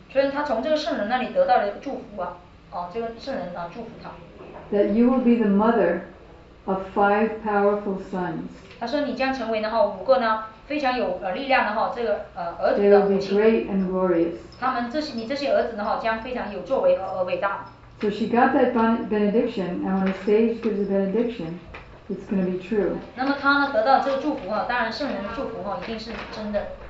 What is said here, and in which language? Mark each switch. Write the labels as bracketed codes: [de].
[zh] 所以她从这个圣人那里得到了祝福啊，这个圣人啊祝福她。 [en] That you will be the mother of five powerful sons. [zh] 她说你将成为然后五个呢。非常有力量的哈，这个儿子的母亲， [en] great and glorious. [zh] 他们这些儿子呢哈，将非常有作为和伟大。 [en] So she got that benediction, and when the sage gives a benediction, it's going to be true. [zh] 那么他呢得到这个祝福哈，当然圣人的祝福哈，一定是真的。